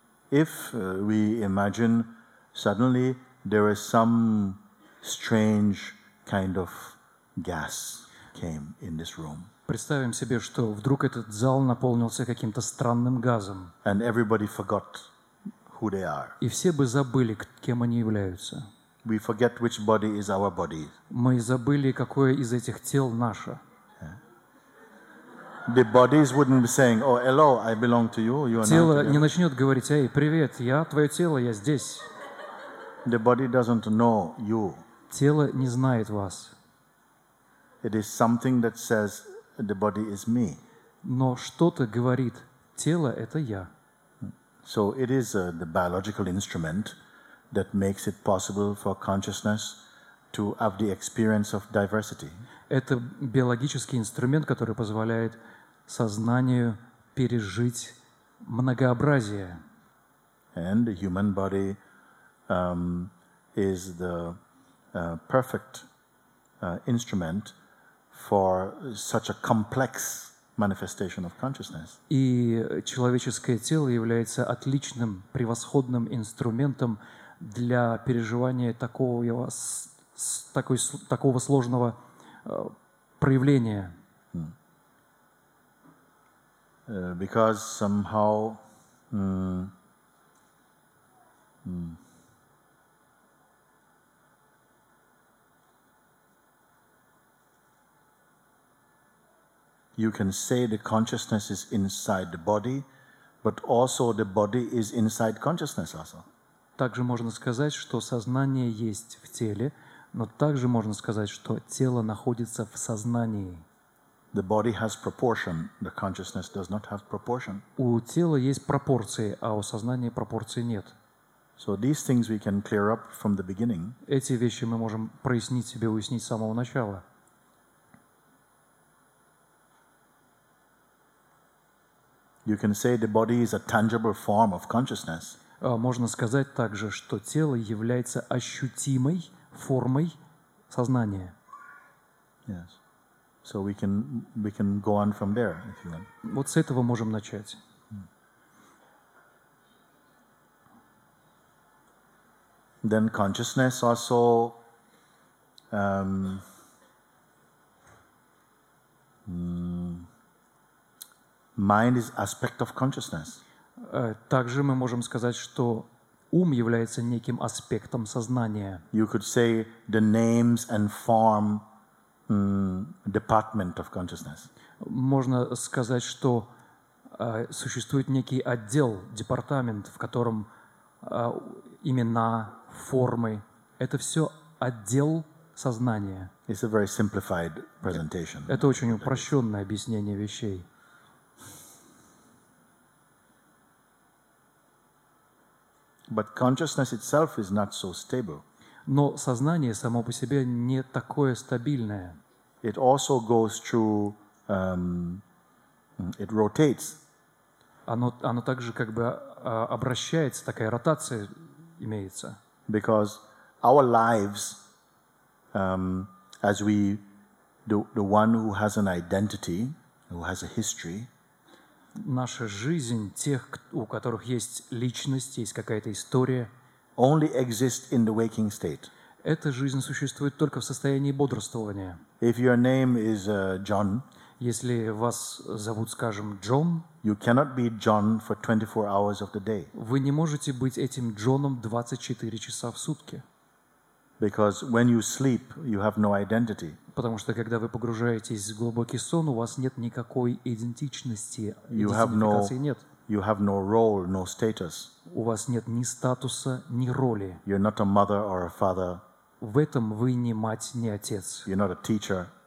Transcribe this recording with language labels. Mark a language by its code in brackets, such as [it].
[en] If we imagine suddenly there is some strange kind of gas came in this room. [ru] Представим себе, что вдруг этот зал наполнился каким-то странным газом. [en] And everybody forgot who they are. [ru] И все бы забыли, кем они являются. [en] We forget which body is our body. [ru] Мы забыли, какое из этих тел наше. [en] The bodies wouldn't be saying, "Oh, hello, I belong to you. You are not." [ru] Тело не начнет говорить: "Эй, привет, я твое тело, я здесь." [en] The body doesn't know you. [ru] Тело не знает вас. [en] It is something that says the body is me. [ru] Но что-то говорит: тело это я. [en] So it is the biological instrument that makes it possible for consciousness to have the experience of diversity. [ru] Это биологический инструмент, который позволяет сознанию пережить многообразие. [en] And the human body is the perfect instrument for such a complex manifestation of consciousness. [ru] И человеческое тело является отличным, превосходным инструментом для переживания такого сложного проявления. [en] Because somehow you can say the consciousness is inside the body, but also the body is inside consciousness also. [ru] Также можно сказать, что сознание есть в теле, но также можно сказать, что тело находится в сознании. [en] The body has proportion, the consciousness does not have proportion. [ru] У тела есть пропорции, а у сознания пропорций нет. [en] So these things we can clear up from the beginning. [ru] Эти вещи мы можем прояснить себе, уяснить с самого начала. [en] You can say the body is a tangible form of consciousness. [ru] Можно сказать также, что тело является ощутимой формой сознания. [en] Yes. So we can go on from there, if you want. [ru] Вот с этого можем начать. [en] Then consciousness also mind is aspect of consciousness. [ru] Также мы можем сказать, что ум является неким аспектом сознания. [en] You could say the names and form department of consciousness. [ru] Можно сказать, что существует некий отдел, департамент, в котором имена, формы. Это все отдел сознания. [en] It's a very simplified presentation. [ru] Это очень упрощенное объяснение вещей. [en] But consciousness itself is not so stable. [ru] Но сознание само по себе не такое стабильное. [en] It also goes through, it rotates. [ru] Оно также как бы обращается, такая ротация имеется. [en] Because our lives, as we, the one who has an identity, who has a history. [ru] Наша жизнь тех, у которых есть личность, есть какая-то история. [en] Only exists in the waking state. [ru] Эта жизнь существует только в состоянии бодрствования. [en] If your name is John, [ru] если вас зовут, скажем, Джон, [en] you cannot be John for 24 hours of the day. [ru] Вы не можете быть этим Джоном 24 часа в сутки. [en] Because when you sleep, you have no identity. [ru] Потому что когда вы погружаетесь в глубокий сон, у вас нет никакой идентичности, [en] You have no role, no status. [ru] У вас нет ни статуса, ни роли. [en] You're not a mother or a father. [ru] В этом вы не мать, не отец. [en] You're not a teacher.